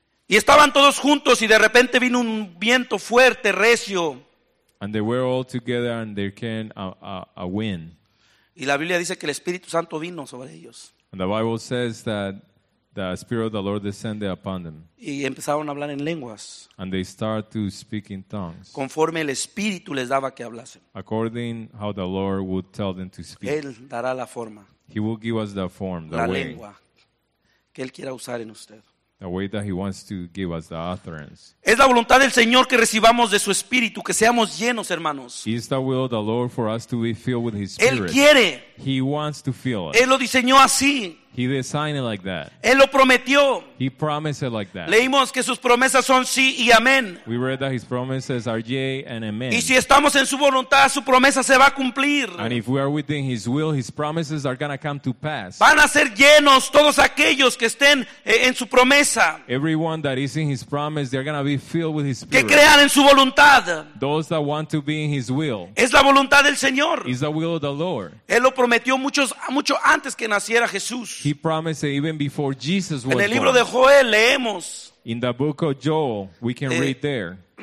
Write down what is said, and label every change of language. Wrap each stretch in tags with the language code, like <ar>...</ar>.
<es>Y estaban todos juntos y de repente vino un viento fuerte, recio.</es> <en>And they were all together and there came a wind.</en> <es>Y la Biblia dice que el Espíritu Santo vino sobre ellos.</es> <en>And the Bible says that the Spirit of the Lord descended upon them.</en> <es>Y empezaron a hablar en lenguas.</es> <en>And they start to speak in tongues.</en> <es>Conforme el Espíritu les daba que hablasen.</es> <en>According how the Lord would tell them to speak.</en> <es>Él dará la forma.</es> <en>He will give us the form, the</en> <es>la</es> <en>way.</en> <es>Lengua que Él quiera usar en usted.</es> <en>The way that He wants to give us the utterance.</en> <es>Es la voluntad del Señor que recibamos de su Espíritu, que seamos llenos, hermanos.</es> <en>Is the will of the Lord for us to be filled with His Spirit.</en> <es>Él quiere.</es> <en>He wants to fill us.</en> <es>Él lo diseñó así.</es> <en>He designed it like that.</en> <es>Él lo prometió.</es> <en>He promised it like that.</en> <es>Leímos que sus promesas son sí y amén.</es> <en>We read that His promises are yea and amen.</en> <es>Y si estamos en su voluntad, su promesa se va a cumplir.</es> <en>And if we are within His will, His promises are going to come to pass.</en> <es>Van a ser llenos todos aquellos que estén en su promesa.</es> <en>Everyone that is in His promise, they're going to be filled with His Spirit.</en> <es>Que crean en su voluntad.</es> <en>Those that want to be in His will.</en> <es>Es la voluntad del Señor.</es> <en>Is the will of the Lord.</en> <es>Él lo prometió mucho antes que naciera Jesús.</es> <en>He promised it even before Jesus was born.</en> <es>En el libro de Joel leemos.</es> <en>In the book of Joel, we can read there.</en>